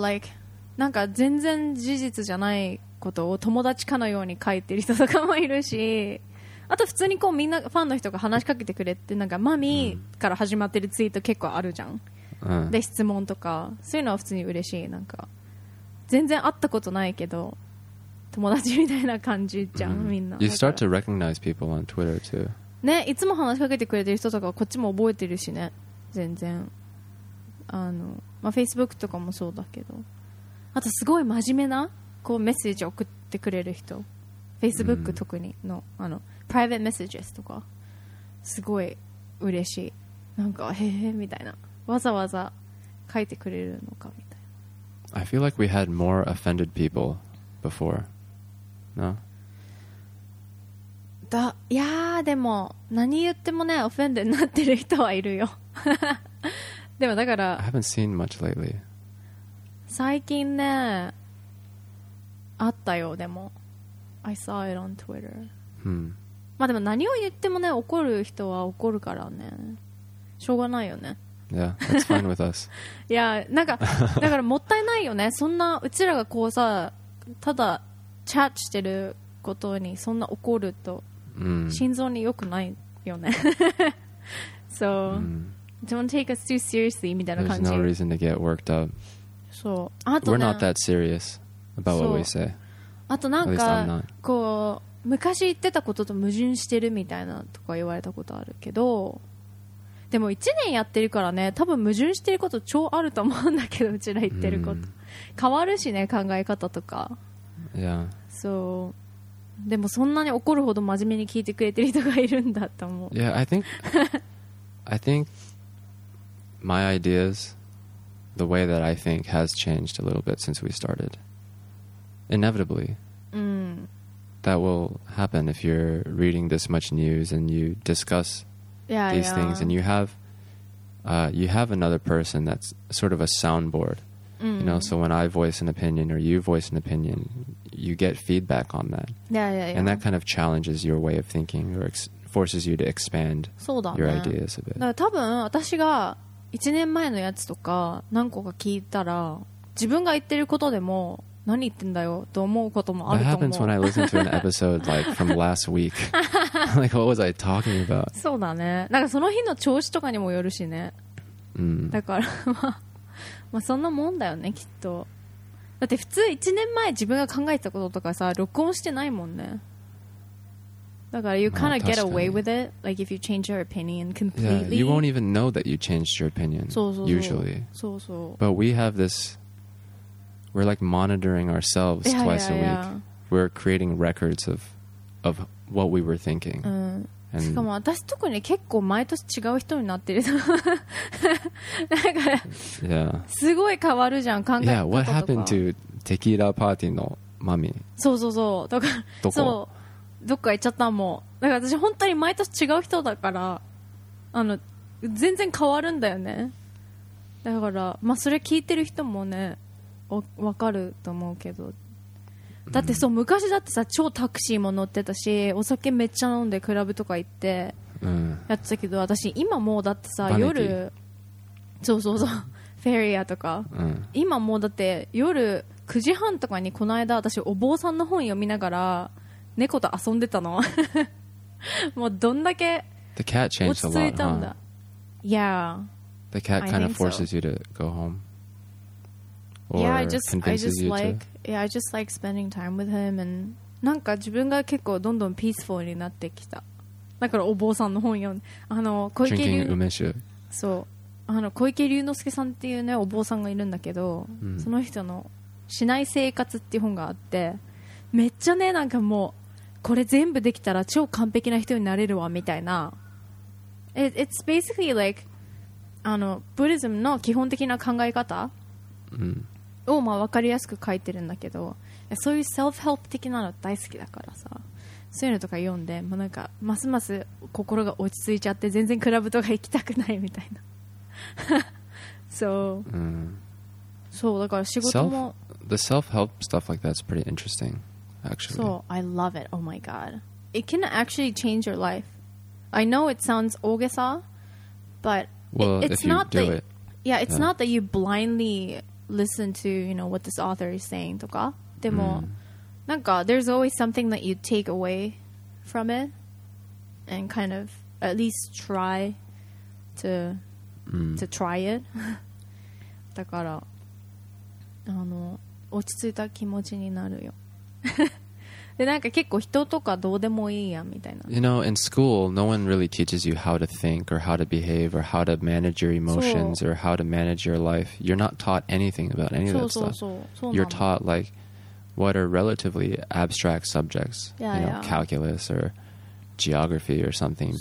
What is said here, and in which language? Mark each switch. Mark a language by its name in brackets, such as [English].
[English] Like, [Japanese] なんか全然事実じゃないことを友達かのように書いてる人とかもいるし、あと普通にこうみんなファンの人が話しかけてくれって、なんかマミーから始まってるツイート結構あるじゃん。で、質問とか、そういうのは普通に嬉しい。なんか、全然会ったことないけど、友達みたいな感じじゃん、みんな。 [English] You start to recognize people on Twitter too. [Japanese] ね、いつも話しかけてくれてる人とかこっちも覚えてるしね、全然。あの、まあ、Facebook とかもそうだけど。あと、すごい真面目な、こう、メッセージ送ってくれる人。 Facebook 特にの、あの、Private Messages とか。すごい嬉しい。なんか、へへ、みたいな。わざわざ書いてくれるのかみたいな。 [English] I feel like we had more offended people. Before, no. [Japanese] だ、いやーでも何言ってもね、オフェンデになってる人はいるよ。でもだから。 [English] I haven't seen much lately. [Japanese] 最近ね、あったよでも。 [English] I saw it on Twitter. [Japanese] まあでも何を言ってもね、怒る人は怒るからね。しょうがないよね。 Yeah, that's fine with us. いやなんかだからもったいないよね。そんなうちらがこうさ。ただチャットしてることにそんな怒ると心臓に良くないよね。 [English] So don't take us too seriously [Japanese] みたいな感じ。 [English] There's no reason to get worked up. [Japanese] そう。あとね。 [English] We're not that serious about what we say. [Japanese] あとなんかこう昔言ってたことと矛盾してるみたいなとか言われたことあるけど、でも1年やってるからね、多分矛盾してること超あると思うんだけど、うちら言ってること。変わるしね、考え方とか。いや。そう。でもそんなに怒るほど真面目に聞いてくれてる人がいるんだと思う。い [English] や、I think my ideas, the way that I think has changed a little bit since we started. Inevitably. That will happen if you're reading this much news and you discuss... These things, and you have another person that's sort of a soundboard, you know. So when I voice an opinion or you voice an opinion, you get feedback on that. Yeah. And that kind of challenges your way of thinking or forces you to expand your ideas a bit. [Japanese] だから多分私が1年前のやつとか何個か聞いたら、自分が言ってることでも何言ってんだよと思うこともあると思う。 [English] That happens when I listen to an episode like from last week. Like, what was I talking about? [Japanese] そうだね。なんかその日の調子とかにもよるしね。だから、まあそんなもんだよね、きっと。だって普通1年前自分が考えたこととかさ、録音してないもんね。だから [English] you kind of get away with it, like if you change your opinion completely. Yeah, you won't even know that you changed your opinion, usually. [Japanese] そうそう。 [English] But we have this... We're like monitoring ourselves twice a week. We're creating records of what we were thinking. [Japanese] しかも私特に結構毎年違う人になってる。なんか、すごい変わるじゃん、考え方とか。 [English] Yeah, what happened to tequila party のマミ？ [Japanese] そうそうそう。だから、どこ？そう。どっか行っちゃったもん。だから私本当に毎年違う人だから、あの、全然変わるんだよね。だから、まあそれ聞いてる人もね、わかると思うけど、だってそう、昔だってさ超タクシーも乗ってたし、お酒めっちゃ飲んでクラブとか行ってやってたけど、私今もうだってさ夜、そうそうそう、フェリアとか、今もうだって夜9時半とかに、この間私お坊さんの本読みながら猫と遊んでたの。もうどんだけ落ち着いたんだ。 [English] Yeah, the cat kind of forces you to go home Yeah, I just like spending time with him. And [Japanese] なんか自分が結構どんどんピースフォーになってきた。だからお坊さんの本読んで、あの小池流、 [English] drinking [Japanese] 梅酒。そう、あの小池龍之介さんっていうねお坊さんがいるんだけど、うん、その人のしない生活っていう本があって、めっちゃねなんかもうこれ全部できたら超完璧な人になれるわみたいな。 [English] It's basically like [Japanese] あのブリズムの基本的な考え方を、まあ、分かりやすく書いてるんだけど、そういうセルフヘルプ的なの大好きだからさ、そういうのとか読んでもうなんかますます心が落ち着いちゃって全然クラブとか行きたくないみたいなそう、うん、そうだから仕事も [English] The self help stuff like that's pretty interesting actually. So I love it. Oh my god. It can actually change your life. I know it sounds [Japanese] 大げさ [English] but well, it's not that it. Yeah, it's not that you blindly listen to, you know, what this author is saying [Japanese] とか。でも、なんか [English] there's always something that you take away from it and kind of at least try to try it. [Japanese] だからあの落ち着いた気持ちになるよ。でなんか結構人とかどうでもいいやみたいな。 [English] You know, in school, no one really teaches you how to think or how to behave or how to manage your emotions or how to manage your life. You're not taught anything about any of that stuff. You're taught like what are relatively abstract subjects, yeah, you know, yeah. calculus or geography or something.